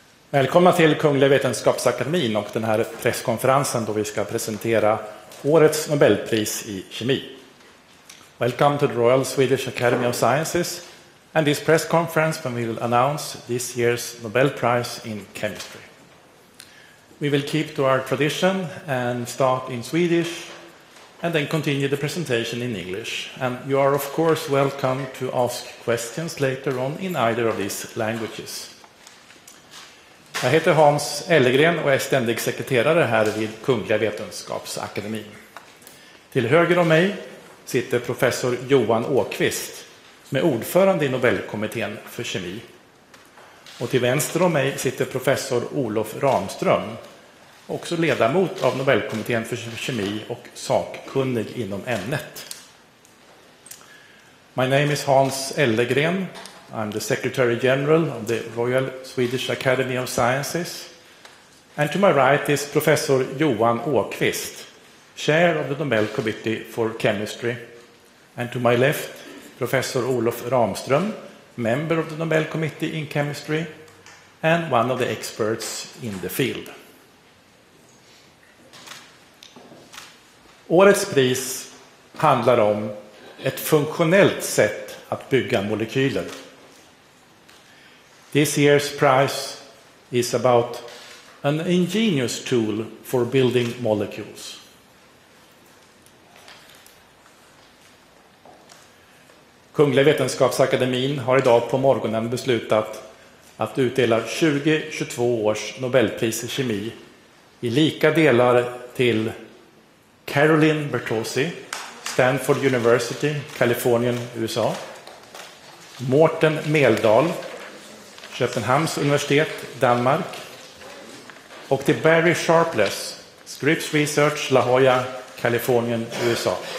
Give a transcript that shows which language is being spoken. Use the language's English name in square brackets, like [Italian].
[Swedish] Välkomna till Kungliga Vetenskapsakademin och den här presskonferensen då vi ska presentera årets Nobelpris i kemi. [English] Welcome to the Royal Swedish Academy of Sciences and this press conference when we will announce this year's Nobel Prize in Chemistry. We will keep to our tradition and start in Swedish and then continue the presentation in English. And you are of course welcome to ask questions later on in either of these languages. [Swedish] Jag heter Hans Ellegren och är ständig sekreterare här vid Kungliga Vetenskapsakademin. Till höger om mig sitter professor Johan Åkvist som är ordförande i Nobelkommittén för kemi. Och till vänster om mig sitter professor Olof Ramström, också ledamot av Nobelkommittén för kemi och sakkunnig inom ämnet. [English] My name is Hans Ellegren. I'm the Secretary General of the Royal Swedish Academy of Sciences. And to my right is Professor Johan Åkvist, Chair of the Nobel Committee for Chemistry. And to my left, Professor Olof Ramström, member of the Nobel Committee in Chemistry and one of the experts in the field. [Swedish] Årets pris handlar om ett funktionellt sätt att bygga molekyler. [English] This year's prize is about an ingenious tool for building molecules. [Swedish] Kungliga Vetenskapsakademin har idag på morgonen beslutat att utdela 2022 års Nobelpris i kemi i lika delar till Caroline Bertozzi, Stanford University, Kalifornien, USA, Morten Meldahl, Köpenhamns universitet, Danmark, och till Barry Sharpless, Scripps Research, La Jolla, Kalifornien, USA.